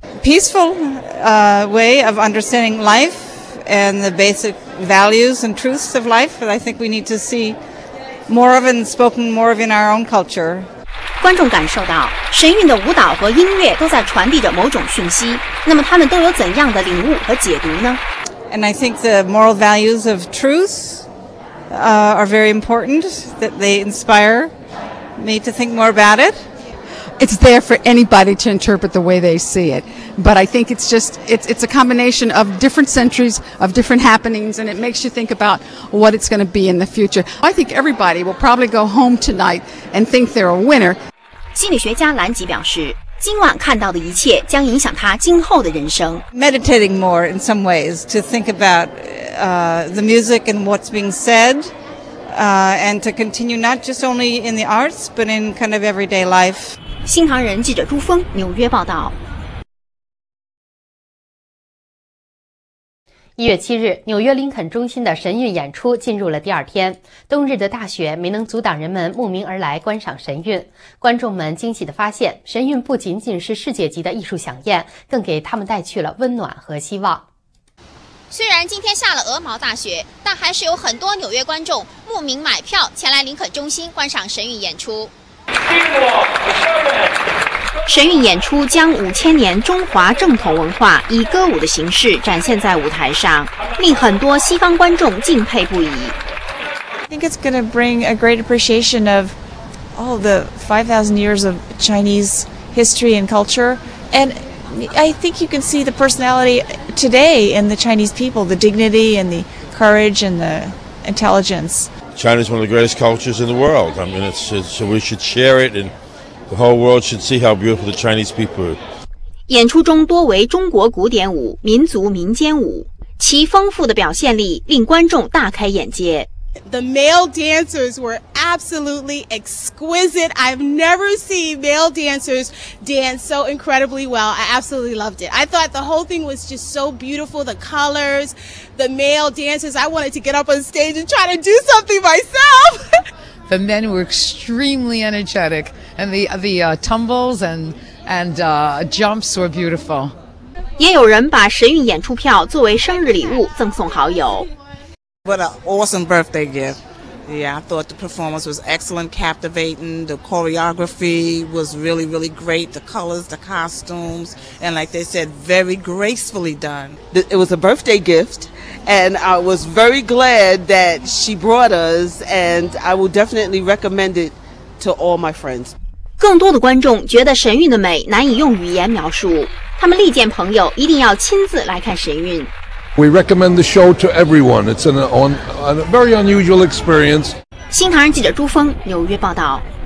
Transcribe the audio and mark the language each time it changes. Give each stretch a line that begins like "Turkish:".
English: Peaceful, way of understanding life and the basic values and truths of life that I think we need to see more of and spoken more of in our own culture.
Chinese: 观众感受到神韵的舞蹈和音乐都在传递着某种讯息，那么他们都有怎样的领悟和解读呢？
English: And I think the moral values of truthare very important, that they inspire me to think more about it. It's there for anybody to interpret the way they see it. But I think it's just, it's a combination of different centuries, of different happenings, and it makes you think about what it's going to be in the future. I think everybody will probably go home tonight and think they're a winner.
Chinese: 心理学家兰吉表示，今晚看到的一切将影响他今后的人生。
English: Meditating more in some ways to think aboutthe music and what's being said, and to continue not just only in the arts, but in kind of everyday life.
Chinese: 新唐人记者朱峰，纽约报道。 1月7日，纽约林肯中心的神韵演出进入了第二天。冬日的大雪没能阻挡人们慕名而来观赏神韵。观众们惊喜地发现，神韵不仅仅是世界级的艺术飨宴，更给他们带去了温暖和希望。虽然今天下了鹅毛大雪，但还是有很多纽约观众慕名买票前来林肯中心观赏神韵演出。神韵演出将5000年中华正统文化以歌舞的形式展现在舞台上，令很多西方观众敬佩不已。
English: I think it's going to bring a great appreciation of all the 5,000 years of Chinese history and culture, and I think you can see the personality today in the Chinese people, the dignity and the courage and the intelligence. China is one of the greatest cultures in the world. I mean, so we should share it and. The whole world should see how beautiful the Chinese people are.
Chinese: 演出中多为中国古典舞、民族民间舞，其丰富的表现力令观众大开眼界。
English: The male dancers were absolutely exquisite. I've never seen male dancers dance so incredibly well. I absolutely loved it. I thought the whole thing was just so beautiful. The colors, the male dancers. I wanted to get up on stage and try to do something myself. The men were extremely energetic. And the tumbles and jumps were beautiful.
Chinese: 也有人把神韵演出票作为生日礼物赠送好友。
English: What an awesome birthday gift! Yeah, I thought the performance was excellent, captivating. The choreography was really, really great. The colors, the costumes, and like they said, very gracefully done. It was a birthday gift, and I was very glad that she brought us. And I will definitely recommend it. To all my friends.
Chinese: 更多的观众觉得神韵的美难以用语言描述，他们力荐朋友一定要亲自来看神韵。
English: We recommend the show to everyone. It's a very unusual experience.
Chinese: 新唐人记者朱峰，纽约报道。